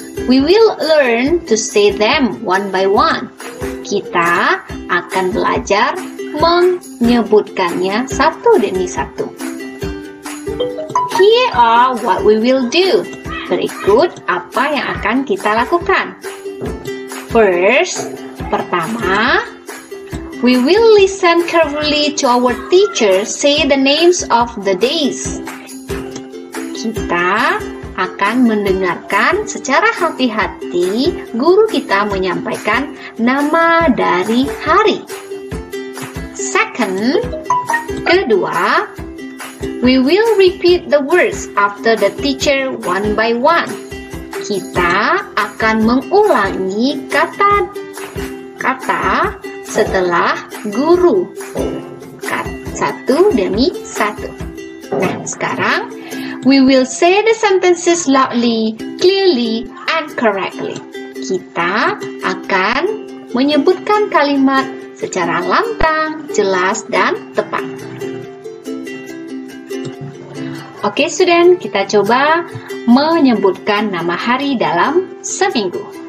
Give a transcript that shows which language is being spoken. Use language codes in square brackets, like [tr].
[en] We will learn to say them one by one. [id] Kita akan belajar menyebutkannya satu demi satu. [en] Here are what we will do. [id] Berikut apa yang akan kita lakukan. [en] First, pertama, we will listen carefully to our teacher say the names of the days. [id] Kita akan mendengarkan secara hati-hati guru kita menyampaikan nama dari hari. [en] Second, kedua, we will repeat the words after the teacher one by one. [id] Kita akan mengulangi kata-kata setelah guru satu demi satu. Nah, sekarang [en] we will say the sentences loudly, clearly, and correctly. [id] Kita akan menyebutkan kalimat secara lantang, jelas, dan tepat. Oke, student, kita coba menyebutkan nama hari dalam seminggu.